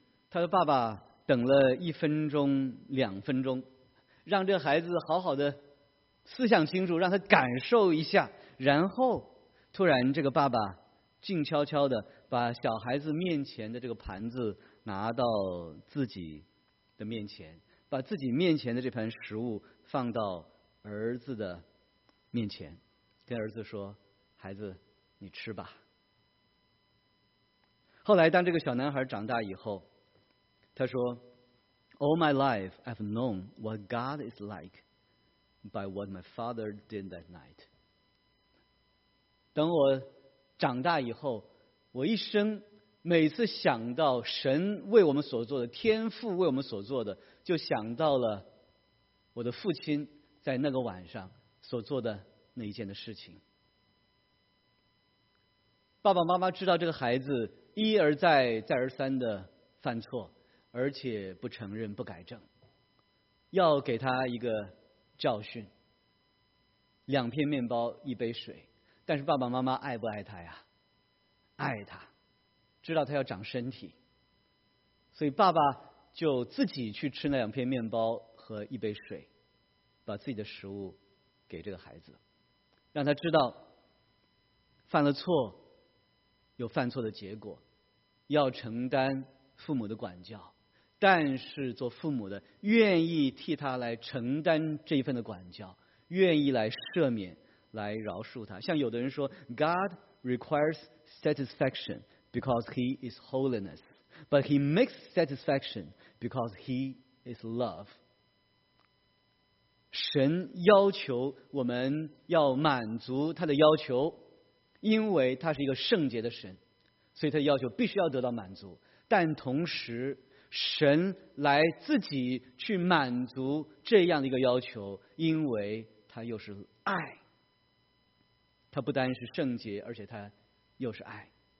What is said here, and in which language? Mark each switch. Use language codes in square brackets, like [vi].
[zh] 他的爸爸等了一分钟两分钟，让这孩子好好的思想清楚，让他感受一下，然后突然这个爸爸静悄悄的把小孩子面前的这个盘子拿到自己的面前，把自己面前的这盘食物放到儿子的面前，跟儿子说，孩子你吃吧。后来当这个小男孩长大以后，他说， [en] All my life I've known what God is like by what my father did that night。 [zh] 等我长大以后，我一生每次想到神为我们所做的，天父为我们所做的，就想到了我的父亲在那个晚上所做的那一件的事情。爸爸妈妈知道这个孩子一而再再而三的犯错，而且不承认不改正，要给他一个教训，两片面包一杯水。但是爸爸妈妈爱不爱他呀？爱他，知道他要长身体，所以爸爸就自己去吃那两片面包和一杯水，把自己的食物给这个孩子，让他知道犯了错有犯错的结果，要承担父母的管教，但是做父母的愿意替他来承担这一份的管教，愿意来赦免，来饶恕他。像有的人说 [en] God requires satisfaction because he is holiness, but he makes satisfaction because he is love. [zh] 神要求我们要满足他的要求，因为他是一个圣洁的神，所以他的要求必须要得到满足，但同时神来自己去满足这样的一个要求，因为他又是爱，他不单是圣洁，而且他又是爱。